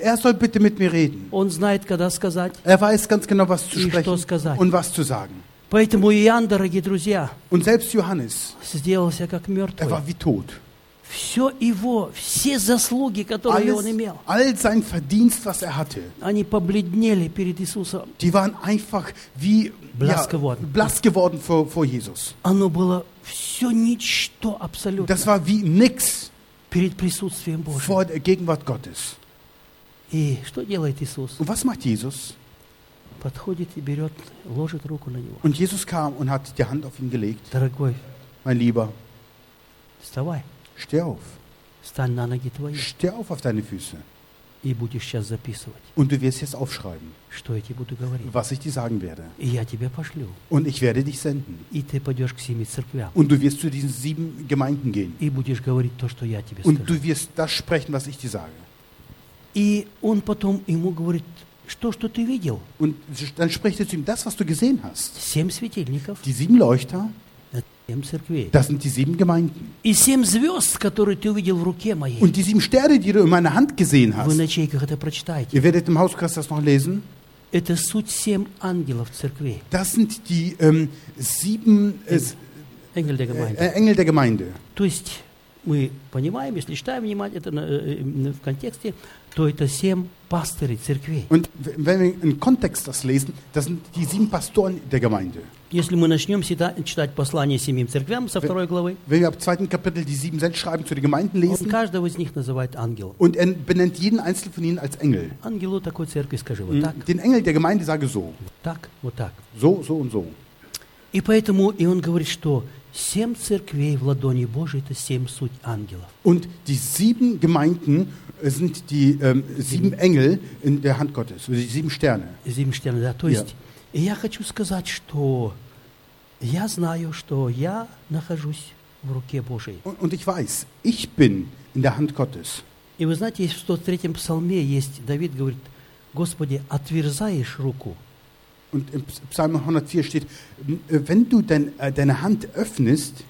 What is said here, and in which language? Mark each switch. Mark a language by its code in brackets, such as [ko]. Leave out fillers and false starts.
[de] Er soll bitte mit mir reden. [ru] Он знает, когда сказать. [de] Er weiß ganz genau, was zu sprechen [ru] и что сказать. [de] Und was zu sagen. [ru] Поэтому Иоанн, дорогие друзья, [de] und selbst Johannes, [ru] сделался как мертвый. [de] Er war wie tot. [ru] Все его, все заслуги, которые он имел, [de] all sein Verdienst, was er hatte, [ru] они побледнели перед Иисусом. [de] Die waren einfach wie blass geworden. Blass geworden vor Jesus. [ru] Оно было все ничто абсолютно. [de] Das war wie nix [ru] перед присутствием Божьим. [de] Vor der Gegenwart Gottes. [ru] И что делает Иисус? [de] Und was macht Jesus? [ru] Подходит и берет, ложит руку на него. [de] Und Jesus kam und hat die Hand auf ihn gelegt. [ru] Дорогой, [de] mein Lieber, [ru] вставай. [de] Steh auf. [ru] Stand на ноги твои. [de] Steh auf deine Füße. [ru] И будешь сейчас записывать. [de] Und du wirst jetzt aufschreiben. [ru] Что я тебе буду говорить? [de] Was ich dir sagen werde. [ru] И я тебя пошлю. [de] Und ich werde dich senden. [ru] И ты пойдешь к семи церквям. [de] Und du wirst zu diesen sieben Gemeinden gehen. [ru] И будешь говорить то, что я тебе [de] Und [ru] скажу. [de] Und du wirst das sprechen, was ich dir sage. [ru] И он потом ему говорит, что ты видел? [de] Und dann spricht er zu ihm das, was du gesehen hast. [ru] Семь светильников. [de] Die sieben Leuchter. Das sind die sieben Gemeinden. [ru] И семь звезд, которые ты увидел в руке моей. [de] Und die sieben Sterne, die du in meiner Hand gesehen hast. [ru] Вы на ячейках это прочитаете. [de] Ihr werdet im Hauskreis das noch lesen. [ru] Это суть семь ангелов церкви. [de] Das sind die sieben Engel der Gemeinde. Engel der Gemeinde. [ru] То есть мы понимаем, если читаем внимательно это в контексте, то это семь пастырей церкви. [de] Und wenn wir im Kontext das lesen, das sind die sieben Pastoren der Gemeinde. [ru] Если мы начнем читать послание семи церквям со второй главы, [de] wenn wir ab zweiten Kapitel die sieben Sendschreiben zu den Gemeinden lesen, [ru] он каждого из них называет ангелом. [de] Und er benennt jeden einzelnen von ihnen als Engel. [ru] Ангелу такой церкви скажи вот так. [de] Den Engel der Gemeinde sage so. [ru] Так, вот так. [de] So, so und so. [ru] И поэтому и он говорит, что семь церквей в ладони Божьей это семь суть ангелов. [de] Und die sieben Gemeinden sind die sieben Engel in der Hand Gottes, die sieben Sterne. Sieben Sterne, да. [ru] То есть, и я хочу сказать, что я знаю, что я нахожусь в руке Божьей. [de] Und ich weiß, ich bin in der Hand Gottes. [ru] И вы знаете, в 103-м псалме есть Давид говорит: Господи, отверзаешь руку. [de] Und im Psalm 104 steht, wenn du deine Hand öffnest,